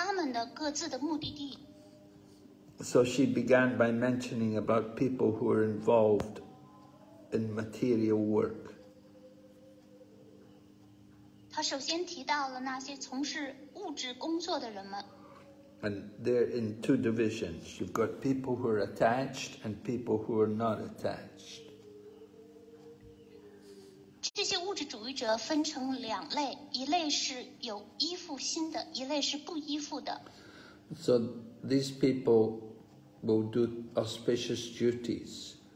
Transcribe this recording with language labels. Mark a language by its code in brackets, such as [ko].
[zh] 他希望聆听到就是不同的灵魂，不同的灵魂在不同层面上的灵魂，他们的各自的目的地。So [en] she began by mentioning about people who are involved in material work. [zh] 他首先提到了那些从事物质工作的人们。 [en] And they're in two divisions. You've got people who are attached and people who are not attached. So these people will do auspicious duties.